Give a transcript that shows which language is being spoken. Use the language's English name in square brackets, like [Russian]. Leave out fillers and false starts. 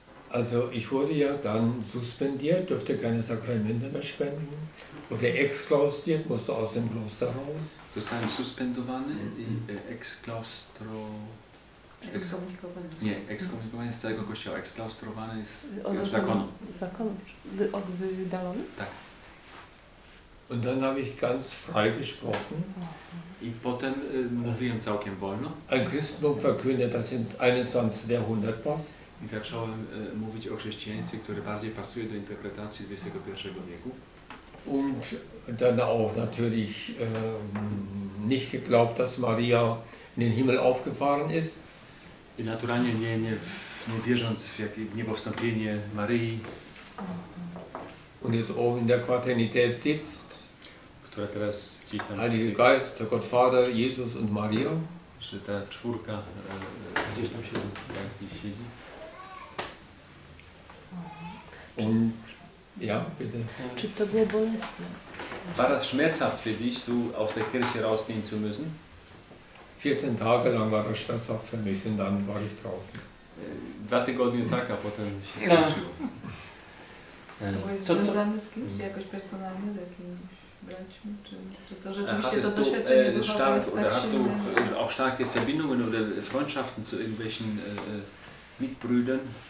[German] Also ich wurde ja dann suspendiert, durfte keine Sakramente mehr spenden, wurde exklaustriert, musste aus dem Kloster raus. [Polish] Zostałem suspendowany i exklaustro... Exkomunikowany. Nie, exkomunikowany z całego kościoła, exklaustrowany z zakonu. Zakonu, wydalony? Tak. [German] Und dann habe ich ganz frei gesprochen. [Polish] I potem mówiłem całkiem wolno. [German] Ein Christentum verkündet, das ins 21. Jahrhundert passt. [Polish] I zacząłem mówić o chrześcijaństwie, które bardziej pasuje do interpretacji XXI wieku. [German] Und dann auch natürlich nicht geglaubt, dass Maria in den Himmel aufgefahren ist. [Polish] I naturalnie nie wierząc w niebowstąpienie Maryi. [German] Und jetzt oben in der Quaternität sitzt. [Polish] Która teraz gdzieś tam [German] Heilige Geist, Gott Vater, Jesus und Maria. [Polish] Że ta czwórka gdzieś tam siedzi. Tak, gdzieś siedzi. [German] Ja, bitte. [Polish] Czy to było bolesne? [German] War das schmerzhaft für dich, so aus der Kirche rausgehen zu müssen? 14 Tage lang war das schmerzhaft für mich und dann war ich draußen. [Polish] Dwa tygodnie tak, a potem się skończyło. To jest związane z kimś, jakoś personalnie, z jakimiś braćmi, czy to rzeczywiście to doświadczenie duchowe jest tak silne? [German] Hast du auch starke Verbindungen oder Freundschaften zu irgendwelchen Mitbrüdern?